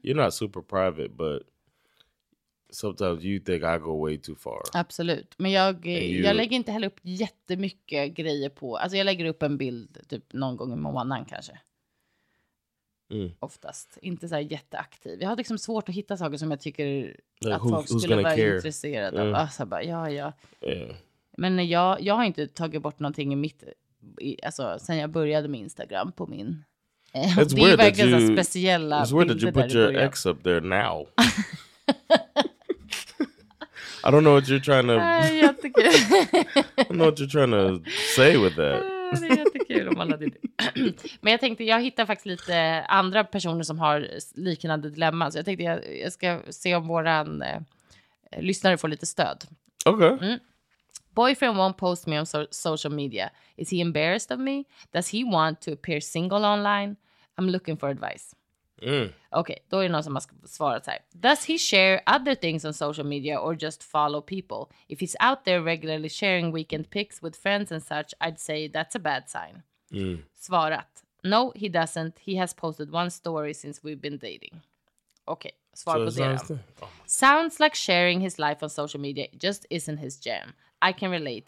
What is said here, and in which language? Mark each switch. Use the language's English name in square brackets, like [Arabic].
[English] You're not super private, but sometimes you think I go way too far. [Swedish] Absolut. Men jag lägger inte heller upp jättemycket grejer på. Alltså jag lägger upp en bild typ någon gång i månaden kanske. Mm. Oftast. Inte så här jätteaktiv. Jag har liksom svårt att hitta saker som jag tycker att folk skulle vara intresserade av. Alltså bara, ja. [English] Yeah. [Swedish] Men jag har inte tagit bort någonting i mitt... alltså sen jag började med Instagram på min [English] it's [Swedish] det är verkligen så speciella [English] it's weird that you put your ex up there now. I don't know what you're trying to I don't know what you're trying to say with that. [Swedish] Det är jättekul om alla det. Men jag tänkte jag hittar faktiskt lite andra personer som har liknande dilemma, så jag tänkte jag ska se om våran lyssnare får lite stöd. Okej. [English] Mm. Boyfriend won't post me on social media. Is he embarrassed of me? Does he want to appear single online? I'm looking for advice. Mm. [Swedish] Okay, då är det någon som har svarat här. [English] Does he share other things on social media or just follow people? If he's out there regularly sharing weekend pics with friends and such, I'd say that's a bad sign. Mm. [Swedish] Svarat. [English] No, he doesn't. He has posted one story since we've been dating. Okay, [Swedish] svar på det. [English] Sounds like sharing his life on social media just isn't his jam. I can relate.